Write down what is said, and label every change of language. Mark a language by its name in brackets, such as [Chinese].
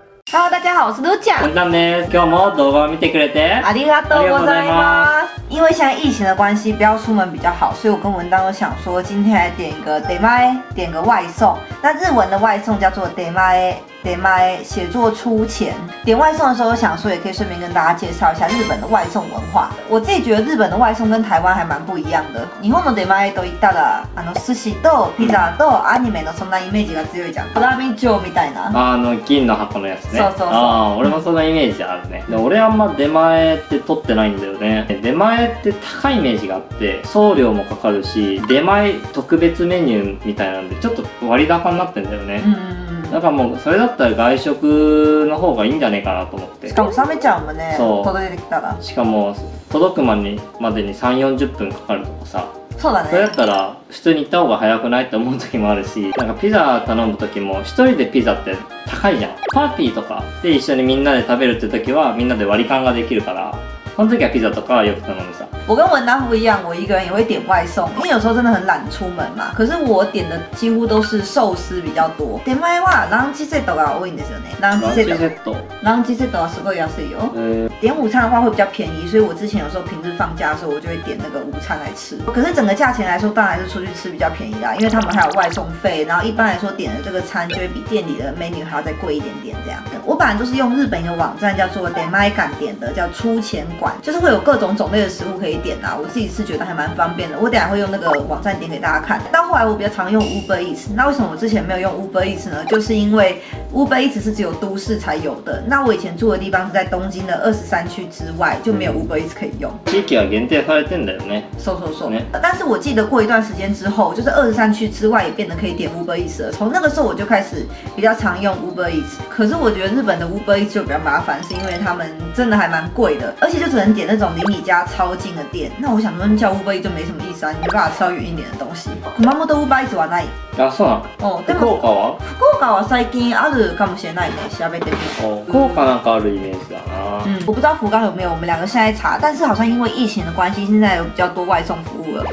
[Chinese] ハロー、大家好、我是露ちゃん。 [Japanese] 文旦です。今日も動画を見てくれてありがとうございます。 [Chinese] 因为现在疫情的关系，不要出门比较好，所以我跟文旦都想说，今天来点一个 demae， 点个外送。那日文的外送叫做 demae， 写作出钱。点外送的时候，想说也可以顺便跟大家介绍一下日本的外送文化。我自己觉得日本的外送跟台湾还蛮不一样的。 [Japanese] 日本の demae といったら、あの寿司とピザとアニメのそんなイメージが強いじゃん。ドラミジョみたいな。あの銀の箱のやつね。そう、俺もそんなイメージあるね。で、俺あんま出前って取ってないんだよね。出前って高いイメージがあって、送料もかかるし、出前特別メニューみたいなんで、ちょっと割高になってんだよね。うん、だからもうそれだったら外食の方がいいんじゃねえかなと思って。しかも冷めちゃうもんね。そう。届いてきたら。しかも届くまでに3、40分かかるとかさ。そうだね。それだったら普通に行った方が早くないって思う時もあるし、なんかピザ頼む時も一人でピザって高いじゃん。パーティーとかで一緒にみんなで食べるって時はみんなで割り勘ができるから、その時はピザとかよく頼むさ。 [Chinese] 我跟文旦不一样，我一个人也会点外送，因为有时候真的很懒出门嘛。可是我点的几乎都是寿司比较多。 [Japanese] 点外はランチセットが多いんですよね。ランチセット。ランチセットはすごい安いよ。 [Chinese] 点午餐的话会比较便宜，所以我之前有时候平日放假的时候，我就会点那个午餐来吃。可是整个价钱来说，当然是出去吃比较便宜啦，因为他们还有外送费，然后一般来说点的这个餐就会比店里的 menu 还要再贵一点点这样。我本来就是用日本一个网站叫做点外感点的，叫出钱馆，就是会有各种种类的食物可以。点啊，我自己是觉得还蛮方便的。我等一下会用那个网站点给大家看。到后来我比较常用 Uber Eats， 那为什么我之前没有用 Uber Eats 呢？就是因为 Uber Eats 是只有都市才有的。那我以前住的地方是在东京的23区之外，就没有 Uber Eats 可以用。 [Japanese] 地域は限定されてんだよね。そう、ね。 [Chinese] 但是我记得过一段时间之后，就是23区之外也变得可以点 Uber Eats 了。从那个时候我就开始比较常用 Uber Eats。可是我觉得日本的 Uber Eats 就比较麻烦，是因为他们真的还蛮贵的，而且就只能点那种离你家超近的。那我想问叫 Uber Eats 就没什么意思啊，你没办法吃到远一点的东西。熊本 Uber Eats 在哪里？ [Japanese] 啊，そうなの。哦，福岡は？福岡は最近あるかもしれないね。調べてみよう。福岡なんかあるイメージだな。 [Chinese] 我不知道福冈有没有，我们两个现在查，但是好像因为疫情的关系，现在有比较多外送服务了。